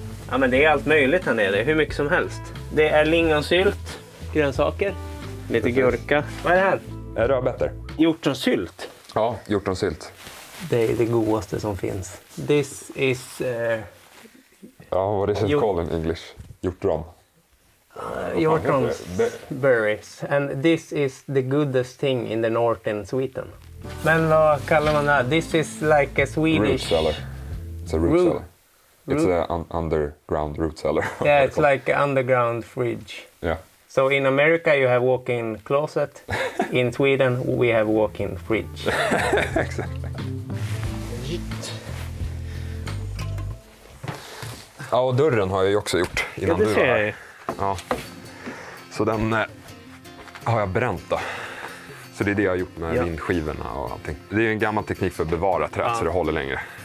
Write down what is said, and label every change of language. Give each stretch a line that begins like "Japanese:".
Swedish: Ja, men det är allt möjligt här nere. Hur mycket som helst. Det är lingonsylt, grönsaker, lite... Precis. Gurka. Vad är det här? Rödbetor. Hjortronsylt. Ja, hjortronsylt. Det är det godaste som finns.
English: This is...
Swedish: Ja, vad är det som kallas
English: in English?
Swedish: Hjortron.
English: Hjortronsberries. And this is the goodest thing in the north in Sweden.
Swedish: Men vad kallar man det här?
English: This is like a Swedish... Root cellar. It's a root cellar. It's an underground root cellar. Yeah, it's like an underground fridge. Yeah. So in America you have walk-in closet. In Sweden we have walk-in fridge.
Swedish: Exactly. Ja, och dörren har jag ju också gjort innan du var. Ja, det ser jag. Ja. Så den har jag bränt då. Så det är det jag har gjort med vindskivorna och allting. Det är ju en gammal teknik för att bevara träd så det håller längre.